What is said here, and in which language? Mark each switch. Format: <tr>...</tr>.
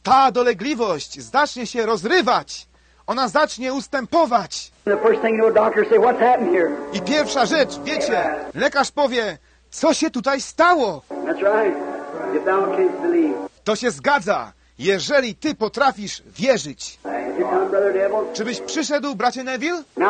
<pl>Ta dolegliwość zacznie się rozrywać. Ona zacznie ustępować.</pl> <en>The first thing the doctor say, what's happened here?</en> <pl>I pierwsza rzecz, wiecie, lekarz powie, co się tutaj stało.</pl> <en>That's right. If thou canst believe.</en> <pl>To się zgadza, jeżeli ty potrafisz wierzyć. Czy byś przyszedł, bracie Neville?</pl>